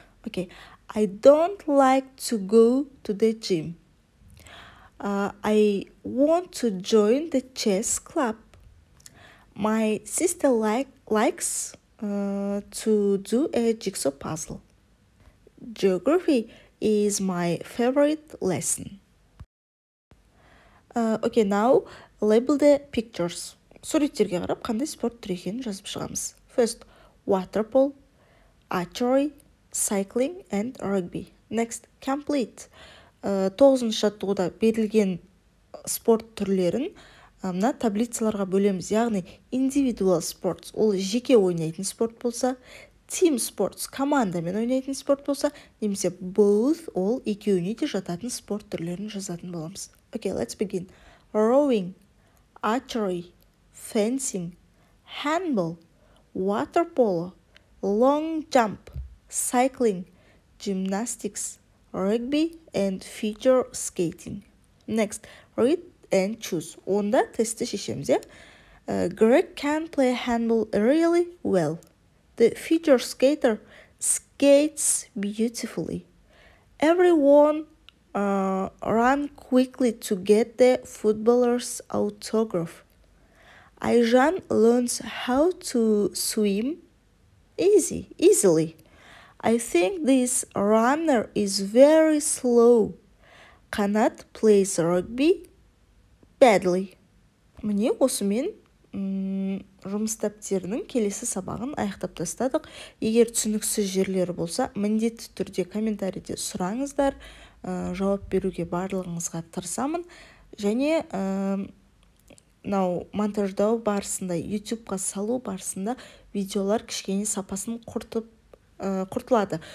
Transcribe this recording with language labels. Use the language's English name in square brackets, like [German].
[English] Окей. I don't like to go to the gym. I want to join the chess club. My sister likes to do a jigsaw puzzle. Geography is my favorite lesson. Okay, now label the pictures. [Kazakh] Суреттерге қарап, қандай спорт түрі екенін жазып шығамыз. [English] First, water polo, archery, cycling and rugby. Next, complete. [Kazakh] 9-ші жаттығуда берілген спорт түрлерін мына таблицаларға бөлеміз. Яғни, [English] individual sports [Kazakh] ол жеке ойнайтын спорт болса, [English] team sports [Kazakh] командамен ойнайтын спорт болса, немесе both ол екеуіне де жататын спорт түрлерін жазатын боламыз. [English] Okay, let's begin. Rowing, archery, fencing, handball, water polo, long jump, cycling, gymnastics, rugby and figure skating. Next, read and choose. [Kazakh] Онда тесті шешеміз, е? [English] Greg can play handball really well. The figure skater skates beautifully. Everyone run quickly to get the footballer's autograph. Айжан learns how to swim easily. I think this runner is very slow. Канат plays rugby badly. [Kazakh] Мне осымен жұмыс дәптерінің келесі сабағын аяқтап тастадық. Егер түсініксіз жерлері болса, міндетті түрде комментарийде сұраңыздар. Жауап беруге барлығыңызға тырысамын. Және монтаждау барысында, YouTube-қа салу барысында видеолар кішкене сапасын құртылады.